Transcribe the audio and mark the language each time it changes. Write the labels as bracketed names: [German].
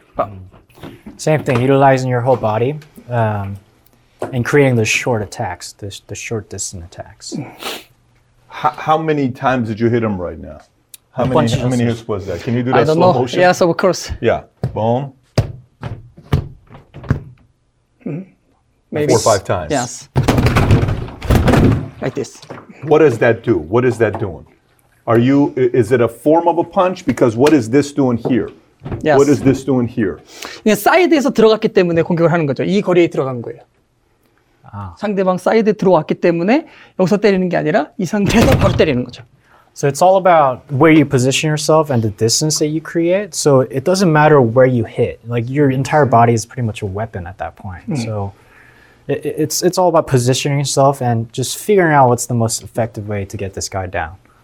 [English] 빡. Same thing, utilizing your whole body and creating the short attacks, the short distance attacks. How many times did you hit him right now? How many hits was that? Can you do that slow know. Motion? Yes, of course. Yeah, boom. Maybe. Four or five times. Yes. Like this. What does that do? What is that doing? Is it a form of a punch? Because what is this doing here? Yes. What is this doing here? [Korean] 네, 사이드에서 들어갔기 때문에 공격을 하는 거죠. 이 거리에 들어간 거예요. 아. 상대방 사이드에 들어왔기 때문에 여기서 때리는 게 아니라 이 상태에서 바로 때리는 거죠. [English] So it's all about where you position yourself and the distance that you create. So it doesn't matter where you hit. Like your entire body is pretty much a weapon at that point. Mm. So it's all about positioning yourself and just figuring out what's the most effective way to get this guy down.